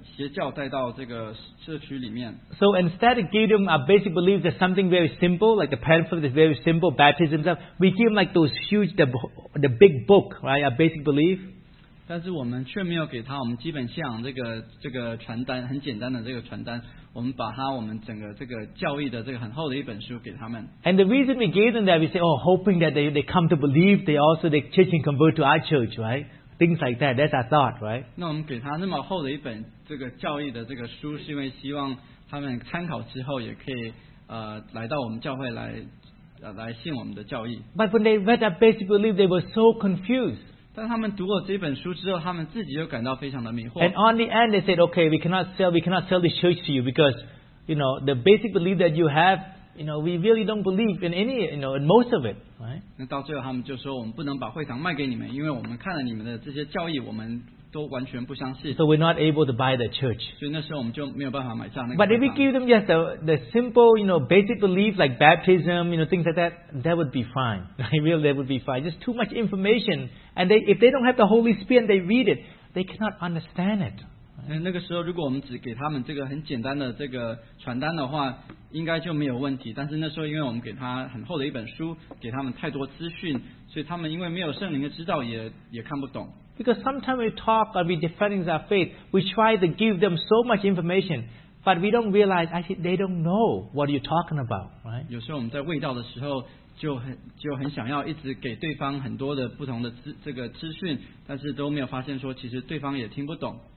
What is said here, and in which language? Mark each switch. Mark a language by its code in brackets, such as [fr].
[zh] 因为他们不想把一个异端有这个邪教带到这个社区里面。 [en] So instead, we give them our basic beliefs as something very simple, like the pamphlet is very simple, baptism stuff. We give them like those huge, the big book, right? Our basic belief. [zh] 但是我们却没有给他我们基本信仰这个传单，很简单的这个传单。我们把他我们整个这个教义的这个很厚的一本书给他们。 [en] And the reason we gave them that, we say, oh, hoping that they come to believe, they also they change and convert to our church, right? Things like that. That's our thought, right? [zh] 那我们给他那么厚的一本这个教义的这个书，是因为希望他们参考之后也可以来到我们教会来信我们的教义。 [en] But when they read that basic belief, they were so confused. [zh] 但他们读了这本书之后，他们自己又感到非常的迷惑。 [en] And on the end, they said, "Okay, we cannot sell this church to you because, you know, the basic belief that you have you know, we really don't believe in any, you know, in most of it, right? [zh] 那到最后他们就说我们不能把会堂卖给你们，因为我们看了你们的这些教义，我们都完全不相信。 [en] So we're not able to buy the church. [zh] 所以那时候我们就没有办法买下那个会堂。 [en] But if we give them just the simple, you know, basic belief like baptism, you know, things like that, that would be fine. Really, that would be fine. Just too much information, and they, if they don't have the Holy Spirit, and they read it, they cannot understand it. [zh] 那个时候如果我们只给他们这个很简单的这个传单的话应该就没有问题，但是那时候因为我们给他很厚的一本书，给他们太多资讯，所以他们因为没有圣灵的指导 也看不懂。 [en] Because sometimes we talk and we defending our faith, we try to give them so much information, but we don't realize actually they don't know what you're talking about, right? [zh] 有时候我们在卫道的时候就很想要一直给对方很多的不同的这个资讯，但是都没有发现说其实对方也听不懂。